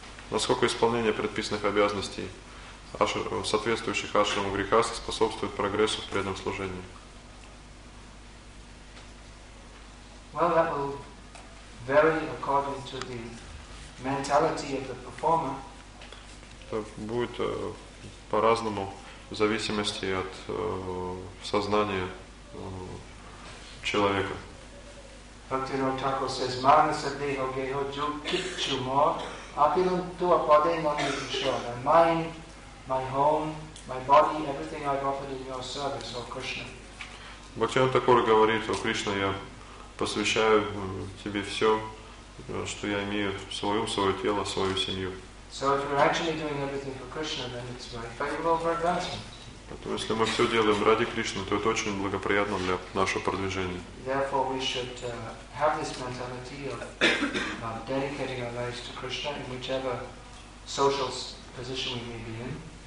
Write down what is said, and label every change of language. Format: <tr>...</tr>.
<ru>Насколько исполнение предписанных обязанностей соответствующих ашраму грихастхи способствует прогрессу в преданном служении?</ru> <en>Well, that will vary according to the mentality of the performer.</en> <ru>Это будет по-разному в зависимости от сознания человека.</ru> <en>Bhaktivinoda Thakur says,</en> <bn>"Manasa deho geho jo kichu mo apilun tu apade mani kushala."</bn> <en>My mind, my home, my body, everything I've offered in your service, O Krishna.</en> <ru>Bhaktivinoda Thakur говорит, о Кришна, я посвящаю тебе все, что я имею, свою, свое тело, свою семью.</ru> <en>So if we're actually doing everything for Krishna, then it's very favorable for advancement.</en> <ru>Поэтому, если мы все делаем ради Кришны, то это очень благоприятно для нашего продвижения.</ru> <en>Therefore, we should have this mentality of dedicating our lives to Krishna in whichever social position we may be in.</en>